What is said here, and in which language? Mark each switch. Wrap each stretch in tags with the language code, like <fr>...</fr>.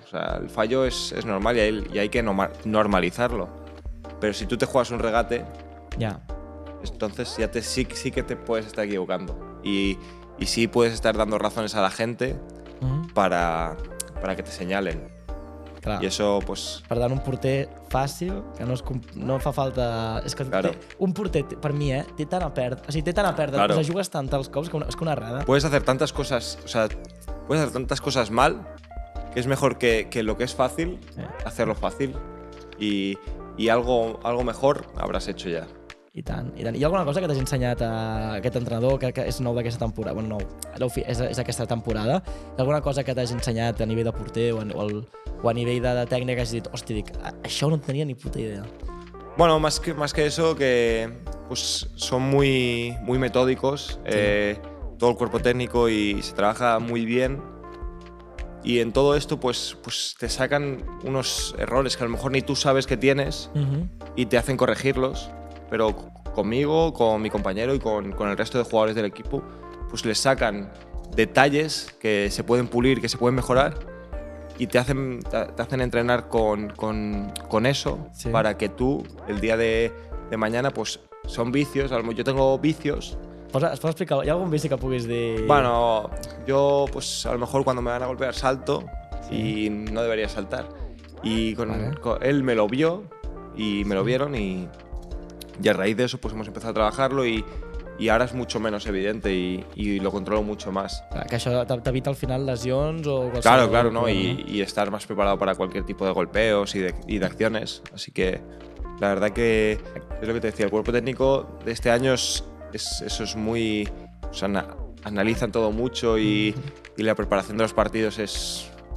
<es>O sea, el fallo es normal y hay que normalizarlo. Pero si tú te juegas un regate, entonces ya sí que te puedes estar equivocando. Y sí puedes estar dando razones a la gente para que te señalen.</es> <ca>Clar. I això, pues... Per tant, un porter fàcil, que no fa falta...</ca> <es>És que claro.</es> <ca>Un porter, per mi, té tant a perdre. O sigui, té tant a perdre.</ca> <es>Claro.</es> <ca>O sea, jugues tant els cops, és que una errada.</ca> <es>Puedes hacer tantas cosas... O sea, puedes hacer tantas cosas mal, que es mejor que lo que es fácil, hacerlo fácil. Y algo mejor habrás hecho ya.</es> <ca>I tant, i tant. Hi ha alguna cosa que t'hagi ensenyat a aquest entrenador, que és nou d'aquesta temporada? Bueno, nou, és aquesta temporada. Hi ha alguna cosa que t'hagi ensenyat a nivell de porter o a nivell de tècnica que hagi dit, hòstia, dic, això no tenia ni puta idea?</ca> <es>Bueno, más que eso, que pues, son muy, muy metódicos, sí, todo el cuerpo técnico y se trabaja muy bien. Y en todo esto, pues te sacan unos errores que a lo mejor ni tú sabes que tienes y te hacen corregirlos. Pero conmigo, con mi compañero y con el resto de jugadores del equipo, pues les sacan detalles que se pueden pulir, que se pueden mejorar y te hacen entrenar con eso, sí, para que tú, el día de mañana, pues son vicios. Yo tengo vicios. ¿Es puedo explicar? ¿Hay algún vicio que puguis de...? Bueno, yo pues a lo mejor cuando me van a golpear salto, sí, y no debería saltar. Y con él me lo vio y me lo vieron y... Y a raíz de eso pues hemos empezado a trabajarlo y ahora es mucho menos evidente y lo controlo mucho más.</es> <ca>Clar, que això t'evita al final lesions o...</ca> <es>Claro, claro, no, y estar más preparado para cualquier tipo de golpeos y de acciones. Así que la verdad que es lo que te decía, el cuerpo técnico de este año es muy... O sea, analizan todo mucho y la preparación de los partidos es...</es>